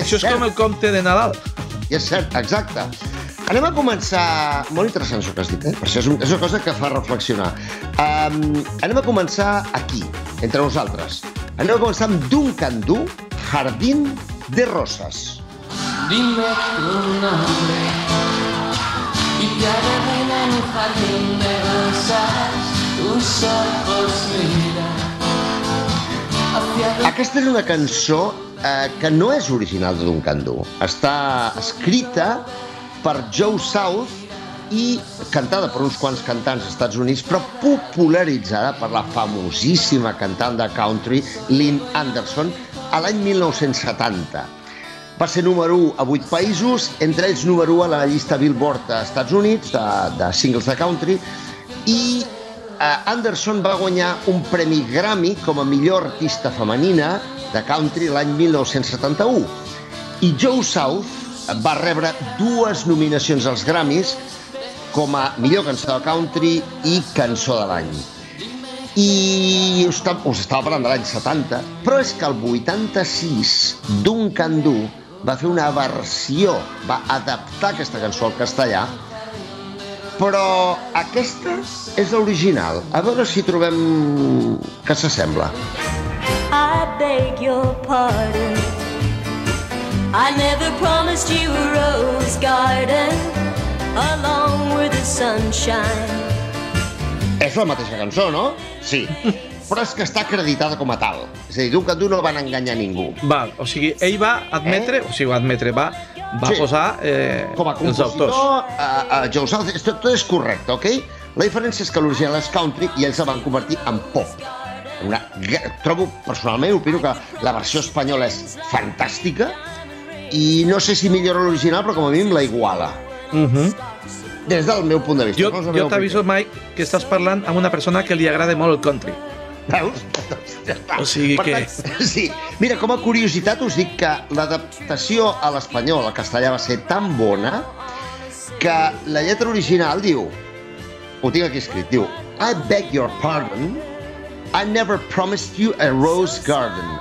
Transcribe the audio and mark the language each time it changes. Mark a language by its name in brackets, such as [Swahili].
[Catalan] això és com el conte de Nadal. I és cert, exacte. Anem a començar... Molt interessant això que has dit, eh? Això és una cosa que fa reflexionar. Anem a començar aquí, entre nosaltres. Anem a començar amb Duncan Du, Jardin de Rosas. [Spanish] Dime tu nombre y te arreglaré en un jardín de rosas. Tus ojos miran. [Catalan] Aquesta és una cançó que no és original de Duncan Du. Està escrita per Joe South i cantada per uns quants cantants dels Estats Units, però popularitzada per la famosíssima cantant de country Lynn Anderson a l'any 1970. Va ser número 1 a 8 països, entre ells número 1 a la llista Billboard dels Estats Units, de singles de country, i Anderson va guanyar un premi Grammy com a millor artista femenina de country l'any 1971. I Joe South va rebre dues nominacions als Grammys com a millor cançó de country i cançó de l'any. I us estava parlant de l'any 70, però és que el 86, Duncan Du va fer una versió, va adaptar aquesta cançó al castellà, però aquesta és l'original. A veure si trobem que s'assembla. [English] I beg your pardon, I never promised you a rose garden along with the sunshine. [Catalan] És la mateixa cançó, no? Sí. Però és que està acreditada com a tal. És a dir, diu que tu no van enganyar ningú. Val, o sigui, ell va admetre, eh? O sigui, va admetre, va, va sí. Posar com a els autors. Com a compositor, tot és correcte, ok? La diferència és que l'original és country i ells la van convertir en pop. Una, trobo, personalment, opino que la versió espanyola és fantàstica i no sé si millora l'original, però com a mínim la iguala. Mhm. Des del meu punt de vista. Jo t'aviso, Mike, que estàs parlant amb una persona que li agrada molt el country. Veus? Ja està. O sigui que... Tant, sí. Mira, com a curiositat us dic que l'adaptació a l'espanyol, al castellà, va ser tan bona que la lletra original diu... Ho tinc aquí escrit. Diu... [English] I beg your pardon, I never promised you a rose garden.